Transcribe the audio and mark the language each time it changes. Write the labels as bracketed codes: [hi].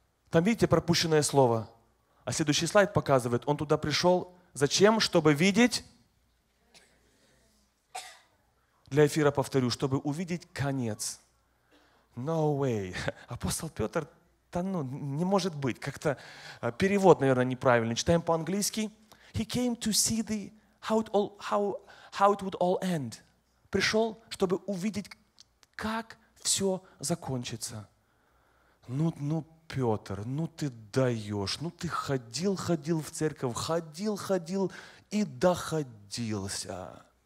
[ru] Там, видите, пропущенное слово. А следующий слайд показывает, он туда пришел зачем? Чтобы видеть, для эфира повторю, чтобы увидеть конец. [en] No way. [ru] Апостол Петр, да ну, не может быть. Как-то перевод, наверное, неправильный. Читаем по-английски. [en] He came to see the how it would all end. [ru] Пришел, чтобы увидеть, как все закончится. Ну, Петр, ну ты даешь. Ну ты ходил в церковь, ходил и доходился.